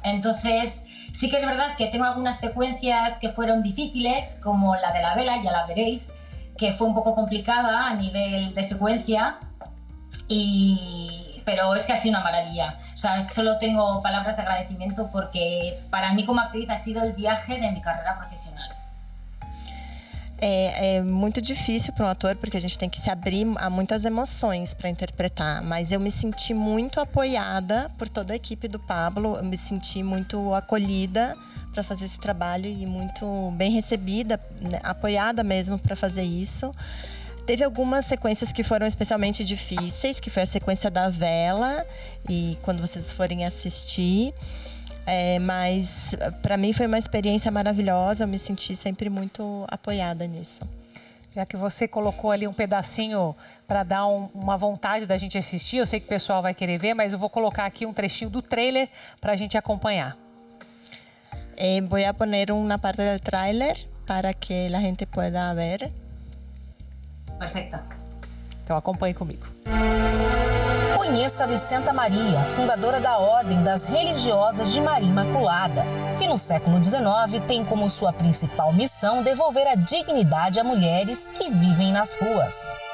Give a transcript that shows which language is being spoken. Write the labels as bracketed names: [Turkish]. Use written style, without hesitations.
[Spanish] Entonces, sí que es verdad que tengo algunas secuencias que fueron difíciles, como la de la vela, ya la veréis, que fue un poco complicada a nivel de secuencia, y, pero es que ha sido una maravilla. O sea, solo tengo palabras de agradecimiento porque para mí como actriz ha sido el viaje de mi carrera profesional. [Portuguese] É muito difícil para um ator, porque a gente tem que se abrir a muitas emoções para interpretar. Mas eu me senti muito apoiada por toda a equipe do Pablo. Eu me senti muito acolhida para fazer esse trabalho e muito bem recebida, né, apoiada mesmo para fazer isso. Teve algumas sequências que foram especialmente difíceis, que foi a sequência da vela, e quando vocês forem assistir. É, mas para mim foi uma experiência maravilhosa, eu me senti sempre muito apoiada nisso. Já que você colocou ali um pedacinho para dar uma vontade da gente assistir, eu sei que o pessoal vai querer ver, mas eu vou colocar aqui um trechinho do trailer para a gente acompanhar. [Spanish] Voy a poner una parte del trailer para que la gente pueda ver. Perfecto. [Portuguese] Então acompanhe comigo. Conheça a Vicenta Maria, fundadora da Ordem das Religiosas de Maria Imaculada, que no século XIX tem como sua principal missão devolver a dignidade a mulheres que vivem nas ruas.